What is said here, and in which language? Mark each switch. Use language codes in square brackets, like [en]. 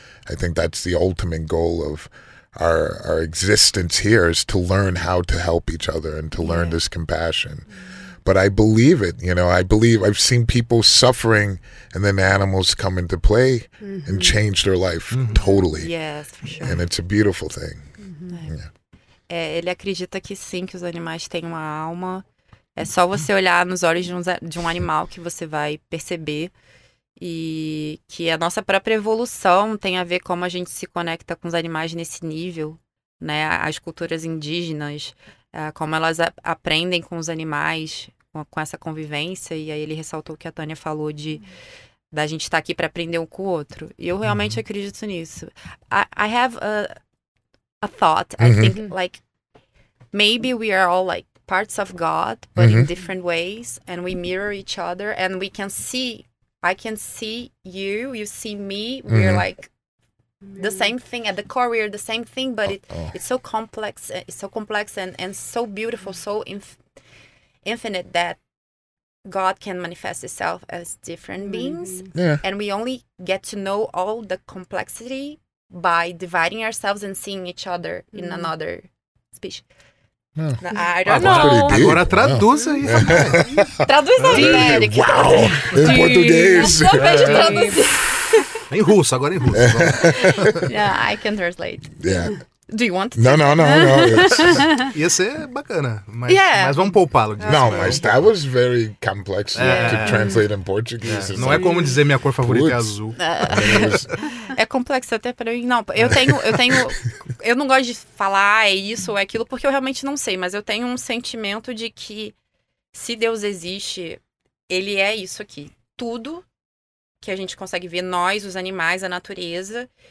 [en] I think that's the ultimate goal of our existence here, is to learn how to help each other and to learn this compassion. But I believe it. You know, I believe I've seen people suffering and then animals come into play mm-hmm. and change their life mm-hmm. totally. Yes, for sure. And it's a beautiful thing. Mm-hmm. Yeah. [pt] É, ele acredita que sim, que os animais têm uma alma. É só você olhar nos olhos de um animal que você vai perceber. E que a nossa própria evolução tem a ver como a gente se conecta com os animais nesse nível, né? As culturas indígenas, como elas aprendem com os animais, com essa convivência. E aí ele ressaltou o que a Tânia falou de... Da gente estar aqui para aprender um com o outro. E eu realmente acredito nisso. [en] I have a thought. Mm-hmm. I think, like, maybe we are all, like, parts of God, but mm-hmm. in different ways. And we mirror each other. And we can see... I can see you. You see me. Mm-hmm. We're, like, the same thing. At the core, we're the same thing. But it's so complex. It's so complex and so beautiful. So infinite that God can manifest itself as different mm-hmm. beings. Yeah. And we only get to know all the complexity by dividing ourselves and seeing each other mm-hmm. in another species. Yeah. I don't know. [pt] Agora traduza isso. Traduz aí, Derrick. Uau! Em português. Eu só vejo em russo, agora em russo. [en] Yeah, I can translate. Yeah. Do you want to? No, no, no, no. [pt] Ia ser bacana. Mas, yeah. Mas vamos poupá-lo disso. Não, mas [en] that was very complex to translate in Portuguese. [pt] Yeah. Não like, é como dizer minha cor favorita é azul. É complexo até para mim. Não, eu tenho. Eu não gosto de falar é isso ou é aquilo, porque eu realmente não sei, mas eu tenho um sentimento de que se Deus existe, ele é isso aqui. Tudo que a gente consegue ver, nós, os animais, a natureza.